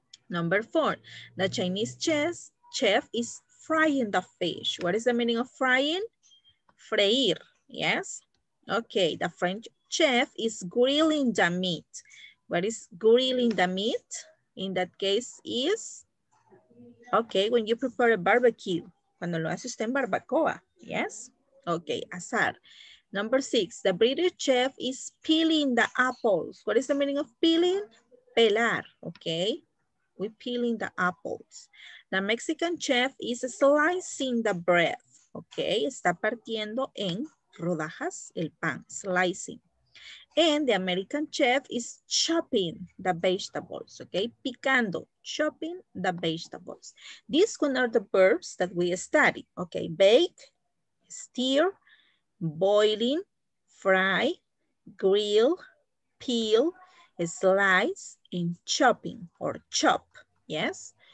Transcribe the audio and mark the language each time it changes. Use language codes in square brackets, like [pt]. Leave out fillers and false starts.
[en] Number four, the Chinese chef is frying the fish. What is the meaning of frying? Freir, yes? Okay, the French chef is grilling the meat. What is grilling the meat? In that case is, okay, when you prepare a barbecue. [es] Cuando lo hace usted en barbacoa, yes? [en] Okay, asar. Number six, the British chef is peeling the apples. What is the meaning of peeling? Pelar, okay? We're peeling the apples. The Mexican chef is slicing the bread, okay? [es] Está partiendo en rodajas el pan, slicing. [en] And the American chef is chopping the vegetables, okay? Picando, chopping the vegetables. These one are the verbs that we study, okay? Bake, stir, boiling, fry, grill, peel, slice, and chopping or chop, yes?